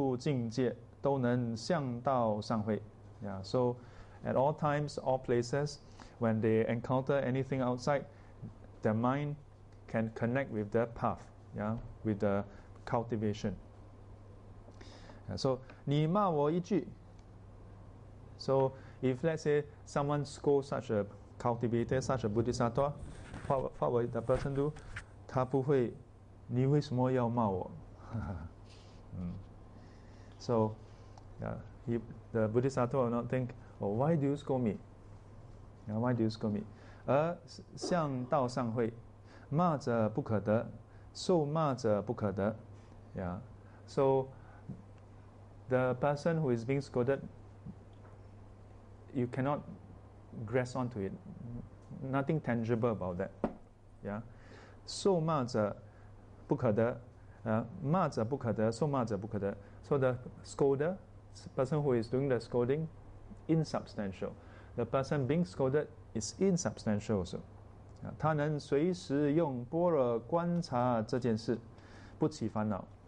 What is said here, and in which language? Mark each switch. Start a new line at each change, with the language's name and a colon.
Chinese: 一切时、一切处、接触境界都能向道上会.
English: Yeah. So at all times, all places, when they encounter anything outside, their mind can connect with the path, yeah, with the cultivation. Yeah, so
Chinese: 你骂我一句.
English: So if let's say someone scolds such a cultivator, such a bodhisattva, what will the person do?
Chinese: 他不会, 你为什么要骂我?
English: So yeah, the bodhisattva will not think, oh, why do you scold me? Yeah, why do you scold me?
Chinese: 而向道上会, 骂者不可得, 受骂者不可得.Yeah.
English: So the person who is being scolded, you cannot grasp onto it. Nothing tangible about that. Yeah.
Chinese: 受骂者不可得, 骂者不可得, 受骂者不可得.
English: So the scolder, person who is doing the scolding, insubstantial. The person being scolded is insubstantial also.
Chinese: 他能随时用般若观察这件事，不起烦恼.